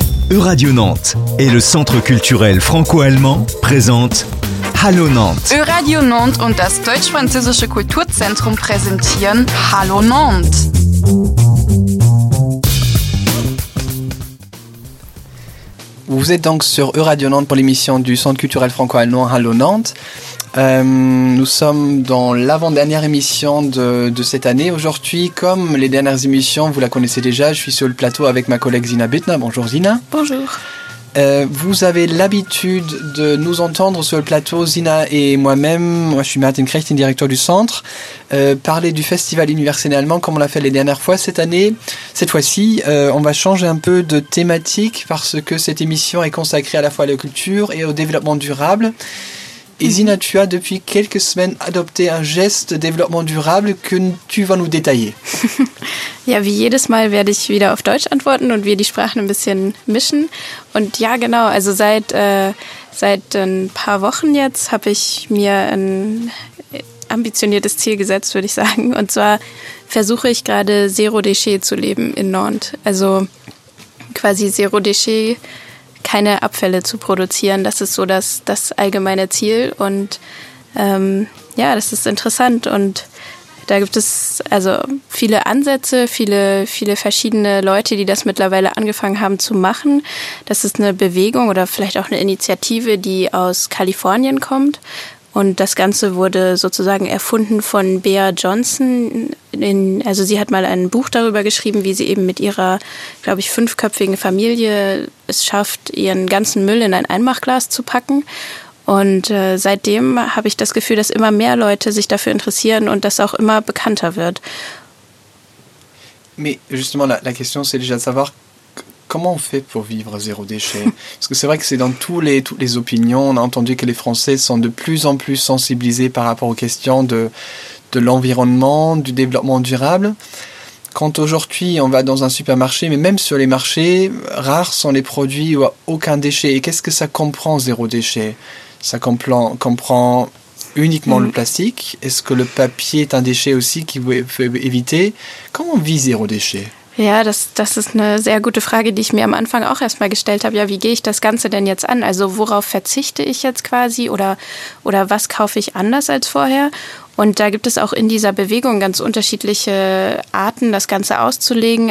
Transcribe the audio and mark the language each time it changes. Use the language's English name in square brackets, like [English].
[French] Radio Nantes et le Centre culturel franco-allemand présentent Hallo Nantes. [German] Radio Nantes und das deutsch-französische Kulturzentrum präsentieren Hallo Nantes. [French] Vous êtes donc sur Euradio Nantes pour l'émission du Centre culturel franco-allemand Hallo Nantes. Nous sommes dans l'avant-dernière émission de cette année. Aujourd'hui, comme les dernières émissions, vous la connaissez déjà, je suis sur le plateau avec ma collègue Zina Bittner. Bonjour Zina. Bonjour. Vous avez l'habitude de nous entendre sur le plateau, Zina et moi-même, moi je suis Martin Krechtin, directeur du centre, parler du festival universel allemand comme on l'a fait les dernières fois cette année. Cette fois-ci, on va changer un peu de thématique parce que cette émission est consacrée à la fois à la culture et au développement durable. Et Zina, tu as depuis quelques semaines adopté un geste de développement durable que tu vas nous détailler. [German] Ja, wie jedes Mal werde ich wieder auf Deutsch antworten und wir die Sprachen ein bisschen mischen. Und ja, genau, also seit ein paar Wochen jetzt habe ich mir ein ambitioniertes Ziel gesetzt, würde ich sagen. Und zwar versuche ich gerade Zero Déchet zu leben in Nantes. Also quasi Zero Déchet, keine Abfälle zu produzieren. Das ist so das allgemeine Ziel. Und ja, das ist interessant. Und da gibt es also viele Ansätze, viele verschiedene Leute, die das mittlerweile angefangen haben zu machen. Das ist eine Bewegung oder vielleicht auch eine Initiative, die aus Kalifornien kommt. Und das Ganze wurde sozusagen erfunden von Bea Johnson. Also sie hat mal ein Buch darüber geschrieben, wie sie eben mit ihrer, glaube ich, fünfköpfigen Familie es schafft, ihren ganzen Müll in ein Einmachglas zu packen. Und seitdem habe ich das Gefühl, dass immer mehr Leute sich dafür interessieren und das auch immer bekannter wird. [French] Mais justement, la question, c'est déjà de savoir, comment on fait pour vivre zéro déchet? Parce que c'est vrai que c'est dans toutes les opinions, on a entendu que les Français sont de plus en plus sensibilisés par rapport aux questions de l'environnement, du développement durable. Quand aujourd'hui on va dans un supermarché, mais même sur les marchés, rares sont les produits où il n'y a aucun déchet. Et qu'est-ce que ça comprend zéro déchet? Ça comprend uniquement le plastique? Est-ce que le papier est un déchet aussi qu'il faut éviter? Comment on vit zéro déchet? [German] Ja, das ist eine sehr gute Frage, die ich mir am Anfang auch erstmal gestellt habe. Ja, wie gehe ich das Ganze denn jetzt an? Also worauf verzichte ich jetzt quasi oder was kaufe ich anders als vorher? Und da gibt es auch in dieser Bewegung ganz unterschiedliche Arten, das Ganze auszulegen.